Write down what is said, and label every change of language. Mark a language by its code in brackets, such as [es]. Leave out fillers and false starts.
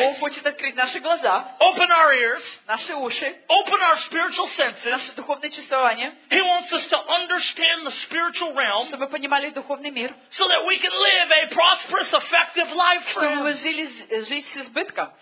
[ru] Бог хочет открыть наши глаза. [en] Open our ears. [ru] Наши уши. [en] Open our spiritual senses. [ru] Наши духовные чувствования. [en] He wants us to understand the spiritual realm. [ru] Чтобы мы понимали духовный мир. [en] So that we can live a prosperous, effective life. [ru] Чтобы мы жили жизнь с избытком.